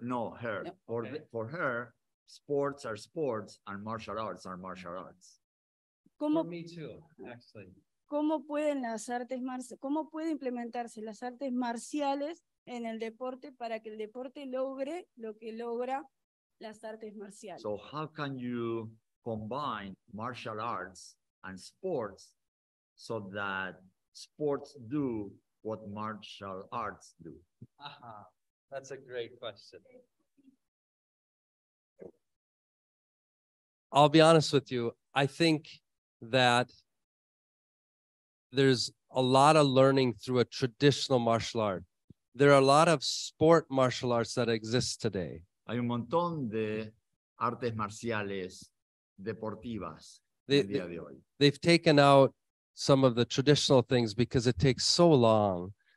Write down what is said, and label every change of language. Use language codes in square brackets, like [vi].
[en] No, her. Yep. For her, sports are sports and martial arts are martial arts. ¿Cómo, for me too, actually. [es] ¿Cómo pueden las artes cómo puede implementarse las artes marciales en el deporte para que el deporte logre lo que logra las artes marciales? [en] So how can you combine martial arts and sports so that sports do what martial arts do? That's a great question. I'll be honest with you. I think that there's a lot of learning through a traditional martial art. There are a lot of sport martial arts that exist today. [es] Hay un montón de artes marciales deportivas el día de hoy. [en] They've taken out some of the traditional things because it takes so long.